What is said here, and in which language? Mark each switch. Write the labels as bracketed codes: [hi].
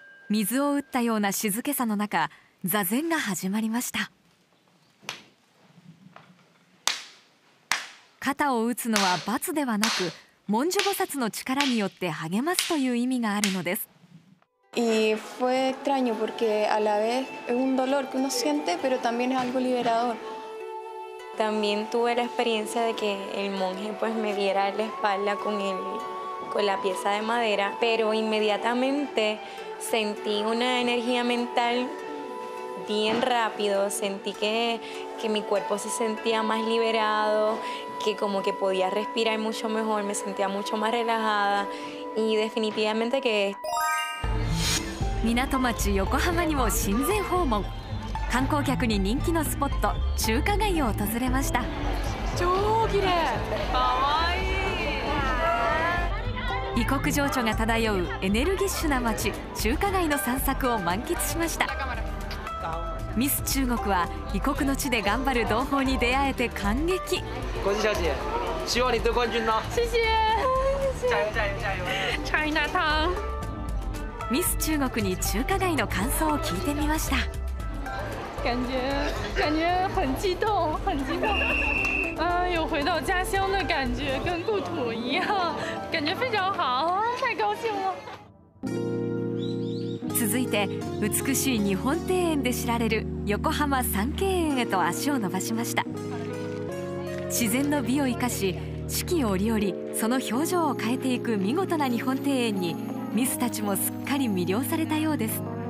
[ja] 水を打ったような静けさの中、座禅が始まりました。肩を打つのは罰ではなく、文殊菩薩の力によって励ますという意味があるのです。 [es] Y fue extraño porque a la vez es un dolor que uno siente, pero también es algo liberador. También tuve la experiencia de que el monje pues me diera la espalda con la pieza de madera, pero inmediatamente sentí una energía mental bien rápido. Sentí que mi cuerpo se sentía más liberado, que como que podía respirar mucho mejor, me sentía mucho más relajada y definitivamente que... [ja] 港町横浜にも親善訪問。観光客に人気のスポット、中華街を訪れました。超綺麗、かわいい。異国情緒が漂うエネルギッシュな町、中華街の散策を満喫しました。ミス中国は異国の地で頑張る同胞に出会えて感激。ご自身は希望に得冠軍の [zh] 谢谢 [ja] チャイナタウン、チャイナタウン。ミス中国に中華街の感想を聞いてみました。 [zh] 感觉很激动，很激动。啊，有回到家乡的感觉，跟故土一样，感觉非常好，太高兴了。 [ja] 続いて、美しい日本庭園で知られる横浜三景園へと足を伸ばしました。自然の美を生かし、四季折々その表情を変えていく見事な日本庭園に。ミスたちもすっかり魅了されたようです。